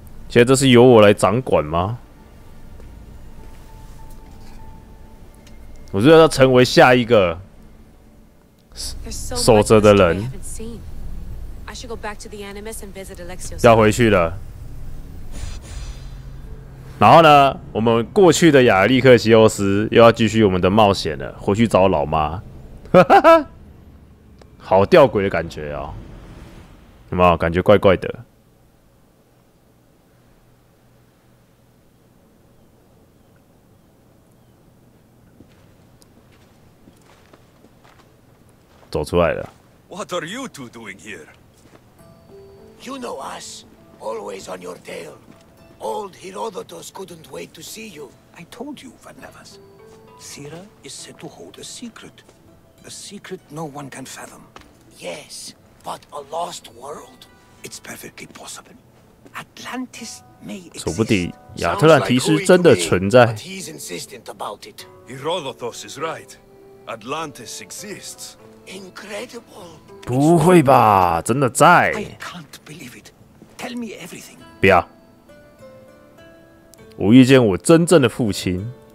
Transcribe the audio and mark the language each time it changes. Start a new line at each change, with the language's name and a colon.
Chinese: 现在这是由我来掌管吗？我是要成为下一个。守着的人。
English: should go back to the Animus and visit Alexios.
Chinese: 要回去了。然后呢，我们过去的亚历克西欧斯又要继续我们的冒险了，回去找老妈。好吊诡的感觉哦，有没有感觉怪怪的？走出来了。
English: What are you two doing here? You know us, always on your tail. Old Herodotus couldn't wait to see you. I told you, Vanellas. Cira is said to hold a secret. A secret no one can fathom. Yes, but a lost world. It's perfectly possible. Atlantis may exist.
Chinese: 说不定亚特兰提斯真的存在。
English: But he's insistent about it. Herodotus is right. Atlantis exists. Incredible.
Chinese: 不会吧，真的在。
English: I can't believe it. Tell me everything.
Chinese: 不要。我遇见我真正的父亲。